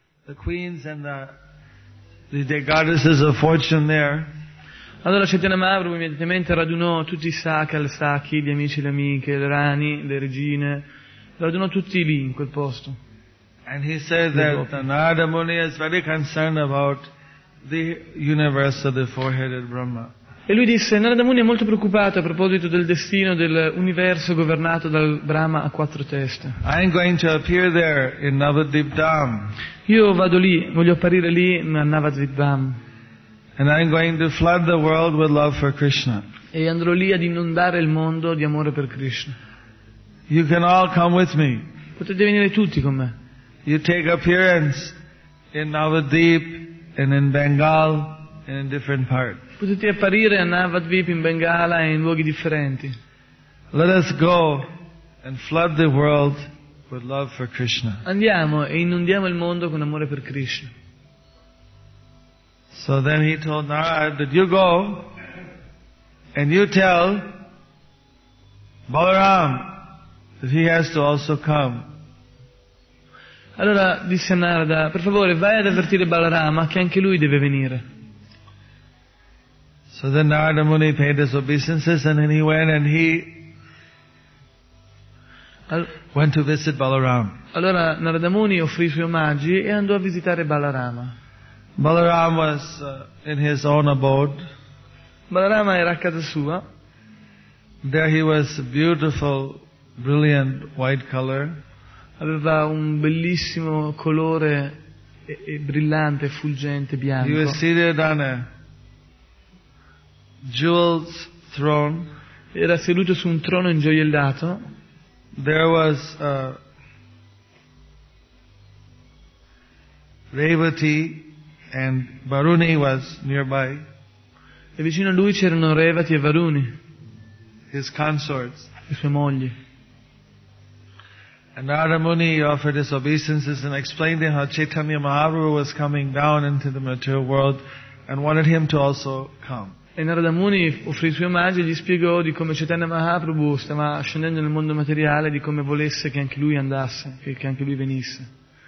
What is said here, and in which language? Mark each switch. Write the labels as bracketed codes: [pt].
[en] the queens and the goddesses of fortune there. [it] Allora Chaitanya Mahaprabhu immediatamente radunò tutti i sakal, sakhi, gli amici, le amiche, le rani, le regine, radunò tutti lì in quel posto. [en] And he said that Narada Muni is very concerned about the universe of the four-headed Brahma. [it] E lui disse, Narada Muni è molto preoccupato a proposito del destino dell'universo governato dal Brahma a quattro teste. [en] I'm going to appear there in Navadvip Dham. [it] Io vado lì, voglio apparire lì a Navadvip Dham. [en] And I'm going to flood the world with love for Krishna. [it] E andrò lì ad inondare il mondo di amore per Krishna. [en] You can all come with me. [it] Potete venire tutti con me. [en] You take appearance in Navadvip and in Bengal and in different parts. [it] Potete apparire a Navadvip, in Bengala e in luoghi differenti. [en] Let us go and flood the world with love for Krishna. [it] Andiamo e inondiamo il mondo con amore per Krishna. [en] So then he told Narada that you go and you tell Balaram that he has to also come. [it] Allora disse a Narada, per favore vai ad avvertire Balarama che anche lui deve venire. [en] So then Narada Muni paid his obeisances and then he went and he went to visit Balaram. [it] Allora Narada Muni offrì i suoi omaggi e andò a visitare Balarama. [en] Balaram was in his own abode. [it] Balarama era a casa sua. [en] There he was beautiful, brilliant white color. [it] Aveva un bellissimo colore e brillante, fulgente, bianco. [en] He was seated on a jewel's throne. [it] Era seduto su un trono ingioiellato. [en] There was Revati. And Varuni was nearby. [it] E vicino a lui c'erano Revati e Varuni. [en] His consorts. [it] Le sue mogli. [en] And Narada Muni offered his obeisances and explained to him how Chaitanya Mahaprabhu was coming down into the material world and wanted him to also come. [it] E Narada Muni offrì i suoi omaggi e gli spiegò di come Chaitanya Mahaprabhu stava scendendo nel mondo materiale e di come volesse che anche lui andasse, che anche lui venisse.